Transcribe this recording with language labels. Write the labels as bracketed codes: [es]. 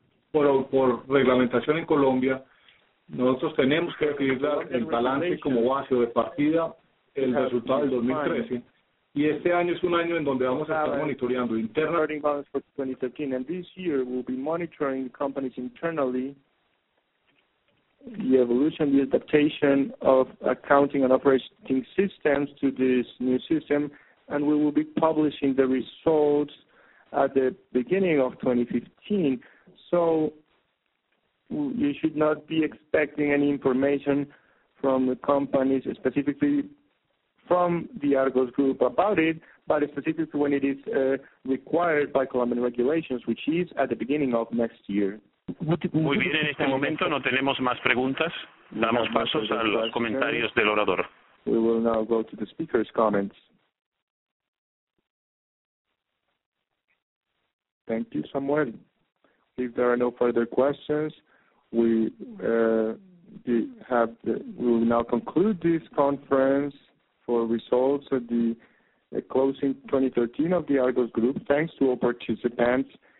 [es] Por reglamentación en Colombia, nosotros tenemos que definir el balance como base o de partida el resultado del 2013. Y este año es un año en donde vamos a estar monitoreando internamente. [en] And this year we'll be monitoring companies internally, the evolution, the adaptation of accounting and operating systems to this new system, and we will be publishing the results at the beginning of 2015. so you should not be expecting any information from the companies, specifically from the Argos Group about it, but specifically when it is required by Colombian regulations, which is at the beginning of next year. [es] Muy bien, en este momento no tenemos más preguntas. Damos pasos a los comentarios del orador. [en] We will now go to the speaker's comments. Thank you, Samuel. If there are no further questions, we will now conclude this conference for results at the closing 2013 of the Argos Group, thanks to all participants.